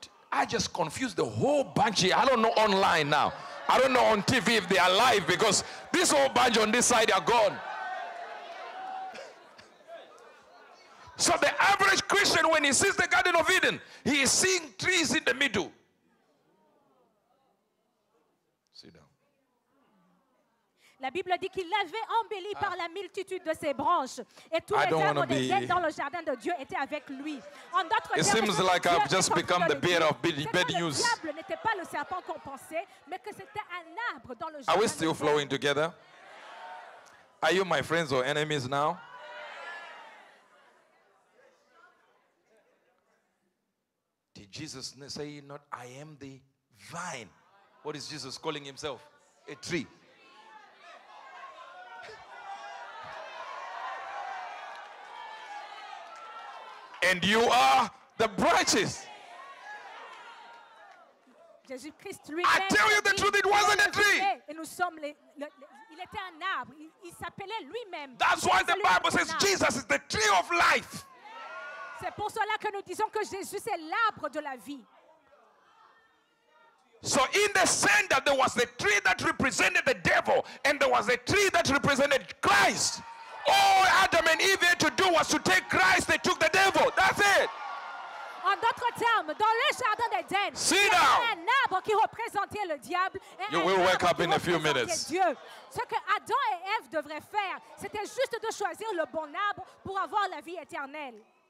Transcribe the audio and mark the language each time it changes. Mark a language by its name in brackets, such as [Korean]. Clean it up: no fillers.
[English] I just confused the whole bunch here. I don't know online now. I don't know on TV if they are live, because this whole bunch on this side are gone. So the average Christian, when he sees the Garden of Eden, he is seeing trees in the middle. [French] La Bible dit qu'il l'avait embelli par la multitude de ses branches, et tous les arbres des bêtes dans le jardin de Dieu étaient avec lui. En d'autres termes, [English] it seems like I've just become the bearer of bad news. [French] Le diable n'était pas le serpent qu'on pensait, mais que c'était un arbre dans le jardin. [English] Are we still flowing together? Are you my friends or enemies now? Did Jesus say not, I am the vine? What is Jesus calling himself? A tree. And you are the branches. I tell you the truth, it wasn't a tree. That's why the Bible says Jesus is the tree of life. C'est pour cela que nous disons que Jésus est l'arbre de la vie. So in the center, there was the tree that represented the devil, and there was a tree that represented Christ. All Adam and Eve had to do was to take Christ, they took the devil. That's it. [French] En d'autres termes, dans le jardin d'Eden, il y avait un arbre qui représentait le diable et [English] you [French] un arbre [English] wake up [French] qui [English] in a few minutes. [French] Dieu. Ce que Adam et Ève devraient faire, c'était juste de choisir le bon arbre pour avoir la vie éternelle.